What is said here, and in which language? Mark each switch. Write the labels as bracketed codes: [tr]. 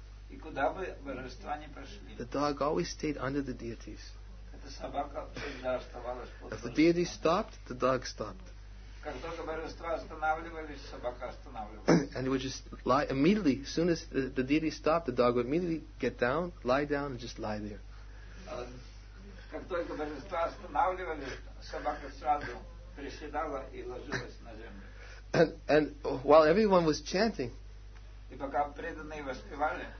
[ru] и куда бы божества ни пошли, [en] the dog always stayed under the deities. [ru] Эта собака всегда оставалась под. [en] If the deity stopped, the dog stopped. [ru] Как только божества останавливались, собака останавливалась. [en] And it would just lie immediately. As soon as the deity stopped, the dog would immediately get down, lie down, and just lie there. [ru] Как только божества останавливались, собака сразу приседала и ложилась на землю. [en] And while everyone was chanting, [ru] и пока преданные воспевали,